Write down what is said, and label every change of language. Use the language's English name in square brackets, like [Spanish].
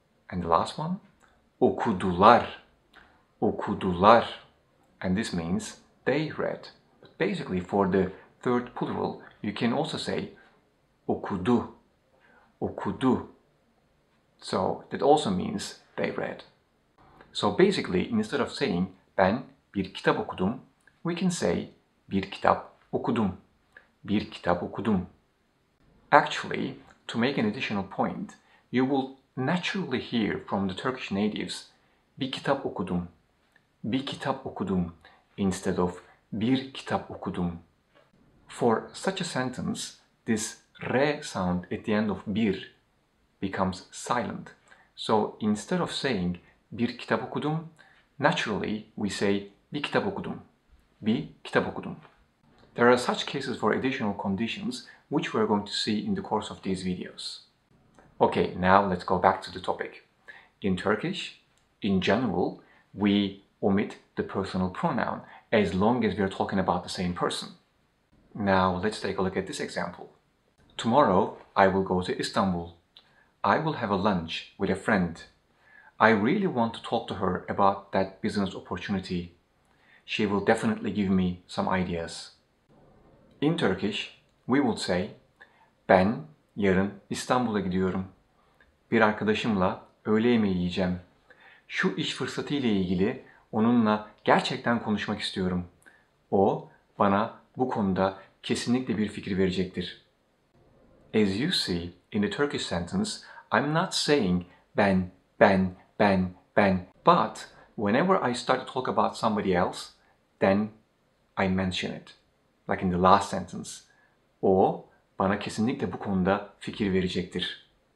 [English] And the last one, okudular, okudular, and this means they read. But basically, for the third plural, you can also say okudu, okudu. So that also means they read. So basically, instead of saying [Turkish] ben bir kitap okudum, [English] we can say [Turkish] bir kitap okudum, bir kitap okudum. [English] Actually, to make an additional point, you will naturally hear from the Turkish natives [Turkish] bir kitap okudum, bir kitap okudum, [English] instead of [Turkish] bir kitap okudum. [English] For such a sentence, this re sound at the end of bir becomes silent. So instead of saying [Turkish] bir kitap okudum, [English] naturally we say [Turkish] bir kitap okudum, bir kitap okudum. [English] There are such cases for additional conditions, which we are going to see in the course of these videos. Okay, now let's go back to the topic. In Turkish, in general, we omit the personal pronoun as long as we are talking about the same person. Now let's take a look at this example. Tomorrow, I will go to Istanbul. I will have a lunch with a friend. I really want to talk to her about that business opportunity. She will definitely give me some ideas. In Turkish, we would say, [Turkish] ben yarın İstanbul'a gidiyorum. Bir arkadaşımla öğle yemeği yiyeceğim. Şu iş fırsatı ile ilgili onunla gerçekten konuşmak istiyorum. O bana bu konuda kesinlikle bir fikir verecektir. [English] As you see in the Turkish sentence, I'm not saying ben, ben, ben, ben. But whenever I start to talk about somebody else, then I mention it. Like in the last sentence. [Turkish] O bana kesinlikle bu konuda fikir verecektir.